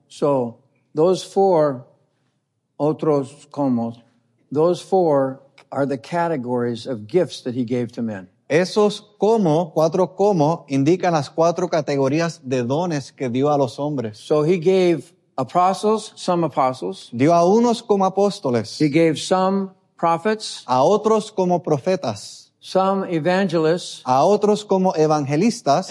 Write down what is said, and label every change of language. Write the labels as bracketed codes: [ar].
[en] So, those four, [es] otros como, [en] those four are the categories of gifts that he gave to men. [es] Esos como, cuatro como, indican las cuatro categorías de dones que dio a los hombres. [en] So he gave apostles, some apostles. [es] Dio a unos como apóstoles. [en] He gave some prophets, [es] a otros como profetas, [en] some evangelists, [es] a otros como evangelistas,